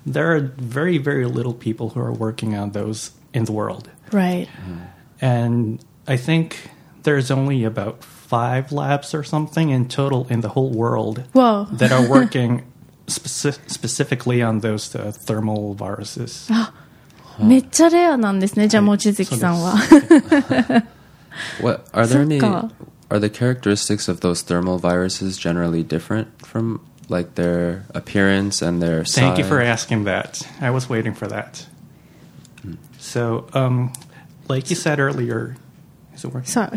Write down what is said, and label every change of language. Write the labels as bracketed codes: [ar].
[en] there are very, very little people who are working on those in the world. Right. Mm. And I think there's only about 5 labs or something in total in the whole world Whoa. That are working specifically on those thermal viruses. [ja] めっちゃレアなんですね、じゃあ望月さんは。そうです。 [en] What, are there any, are the characteristics of those thermal viruses generally different from like their appearance and their size? Thank you for asking that. I was waiting for that. Hmm. So, like you said earlier, is it working?